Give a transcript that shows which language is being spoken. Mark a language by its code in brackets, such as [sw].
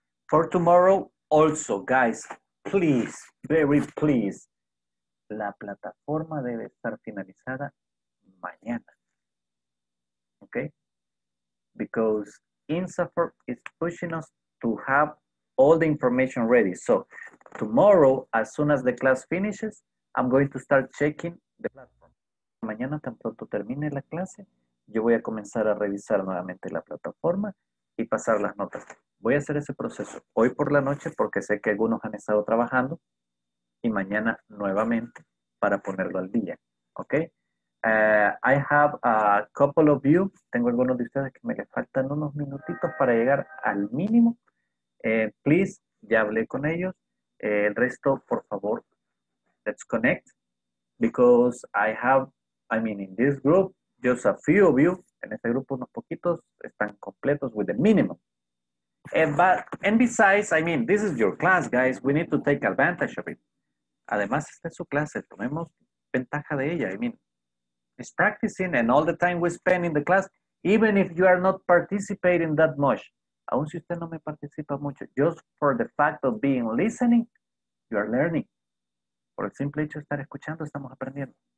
[en] For tomorrow, also, guys, please, very please, [es] la plataforma debe estar finalizada mañana. [en] Okay? Because INSAFORP is pushing us to have all the information ready. So, tomorrow, as soon as the class finishes, I'm going to start checking the platform. [es] Mañana, tan pronto termine la clase, yo voy a comenzar a revisar nuevamente la plataforma y pasar las notas. Voy a hacer ese proceso hoy por la noche porque sé que algunos han estado trabajando y mañana nuevamente para ponerlo al día. ¿Ok? [en] I have a couple of you. [es] Tengo algunos de ustedes que me les faltan unos minutitos para llegar al mínimo. Please, ya hablé con ellos. El resto, por favor, [en] let's connect because in this group, just a few of you, [es] en este grupo unos poquitos, están completos [en] with the minimum. And besides, this is your class, guys. We need to take advantage of it. [es] Además, esta es su clase. Tomemos ventaja de ella. [en] It's practicing and all the time we spend in the class, even if you are not participating that much. [es] Aun si usted no me participa mucho, [en] just for the fact of being listening, you are learning. [es] Por el simple hecho de estar escuchando, estamos aprendiendo.